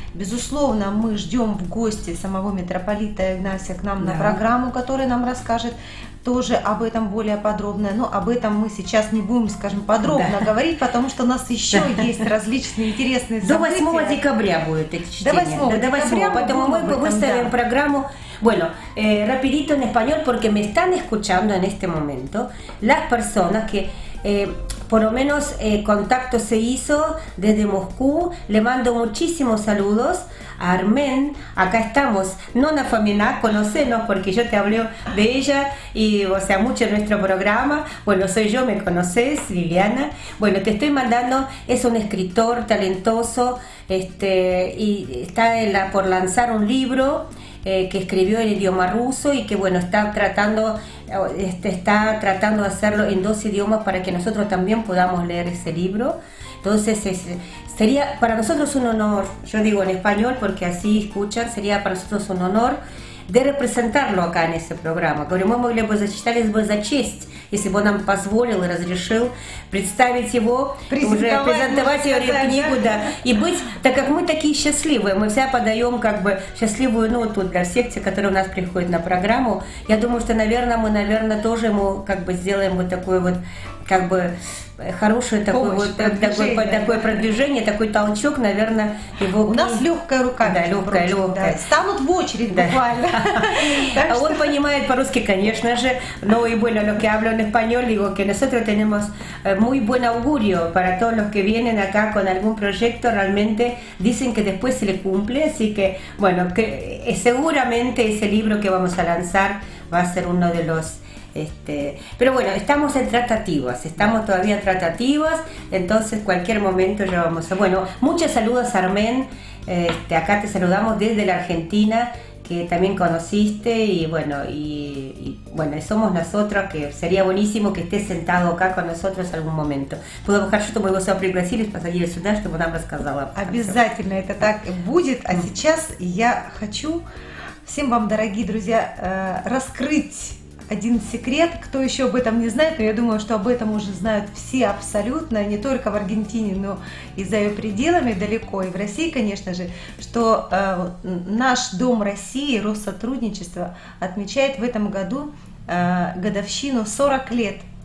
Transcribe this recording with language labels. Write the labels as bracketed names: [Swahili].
[Russian] Безусловно, мы ждем в гости самого митрополита Игнатия к нам, да, на программу, который нам расскажет тоже об этом более подробно. Но об этом мы сейчас не будем, скажем, подробно, да, говорить, потому что у нас еще, да, есть различные интересные события. До 8 декабря будет эти чтения. До 8 декабря. Поэтому мы выставим программу. [Spanish] Bueno, rapidito en español, porque me están escuchando en este momento las personas que por lo menos contacto se hizo desde Moscú. Le mando muchísimos saludos a Armen. Acá estamos, Nona Famina, conocenos porque yo te hablé de ella y, o sea, mucho en nuestro programa. Bueno, soy yo, me conoces, Liliana. Bueno, te estoy mandando, es un escritor talentoso, y está por lanzar un libro que escribió en idioma ruso y que, bueno, está tratando de hacerlo en dos idiomas para que nosotros también podamos leer ese libro. Entonces, sería para nosotros un honor, yo digo en español porque así escuchan, sería para nosotros un honor de representarlo acá en ese programa. [Russian] Говорю, мы могли бы зачитать, если бы за честь, если бы он нам позволил и разрешил представить его, презентовать его книгу, да, и быть, так как мы такие счастливые, мы всегда подаем как бы счастливую ноту для всех тех, которые у нас приходят на программу. Я думаю, что, наверное, мы, наверное, тоже ему как бы сделаем вот такой вот, как бы, хорошее такое такое продвижение, такой толчок, наверное, его. У нас легкая рука. Да, легкая. Да. Станут в очередь, да, буквально. А он понимает по-русски, конечно же, но и [Spanish] bueno, lo que hablo en español, digo que nosotros tenemos muy buen augurio para todos los que vienen acá con algún proyecto, realmente dicen que después se le cumple, así que, bueno, que seguramente ese libro que vamos a lanzar va a ser uno de los. Pero bueno, estamos en tratativas, estamos todavía tratativas, entonces cualquier momento ya vamos a. Bueno, muchos saludos, Armen, acá te saludamos desde la Argentina, que también conociste y bueno, y somos nosotros, que sería buenísimo que estés sentado acá con nosotros en algún momento. Puedo buscar, [Russian] что мы его сюда пригласили, посадили сюда, чтобы нам рассказала. Обязательно это так будет. А сейчас я хочу всем вам, дорогие друзья, раскрыть один секрет, кто еще об этом не знает, но я думаю, что об этом уже знают все абсолютно, не только в Аргентине, но и за ее пределами, далеко, и в России, конечно же, что наш Дом России, Россотрудничество, отмечает в этом году годовщину 40 лет.